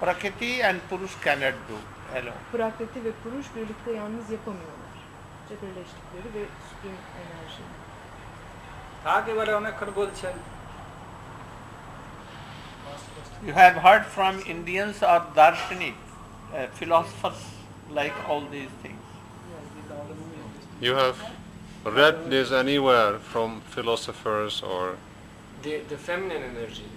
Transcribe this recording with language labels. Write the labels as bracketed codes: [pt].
[en] Prakriti and Purush cannot do alone. [tr] Prakriti ve Purush birlikte yalnız yapamıyorlar. İşte birleştikleri ve Supreme enerji. Tak evvel ona kırgol çel. [en] You have heard from Indians or Darshanik, philosophers. Like all these things. You have read this anywhere from philosophers or the feminine energy.